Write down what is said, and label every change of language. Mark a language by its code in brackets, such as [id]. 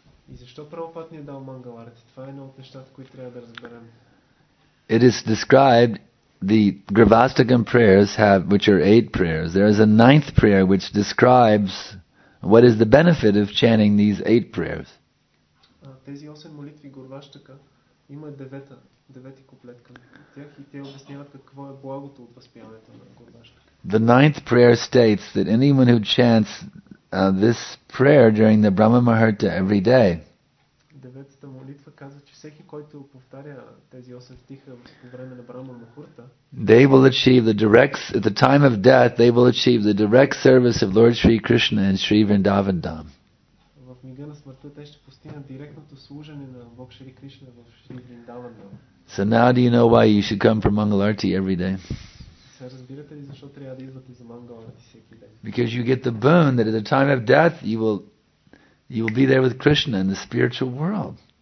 [en] It is described, the Grivastakam prayers have, which are 8 prayers. There is a 9th prayer which describes what is the benefit of chanting these 8 prayers. [bg] Тези 8 молитви Гурваштака има девета, девети куплет към тях и те обясняват какво е благото от възпяването на Гурваштака. [en] The 9th prayer states that anyone who chants this prayer during the Brahma Muhurta every day. [bg] Деветата молитва казва, че всеки, който повтаря тези 8 стиха по време на Брахма Мухурта, [en] they will achieve the direct at the time of death, they will achieve the direct service of Lord Sri Krishna and Sri Vrindavan Dham. [bg] В мига на смъртта те ще постигнат директното служене на Бог Шри Кришна в Шри Вриндаван Дам. [en] So now do you know why you should come for Mangal Arati every day? [bg] Разбирате ли защо трябва да идвате за Mangal Arati всеки ден? [en] Because you get the boon that at the time of death you will be there with Krishna in the spiritual world.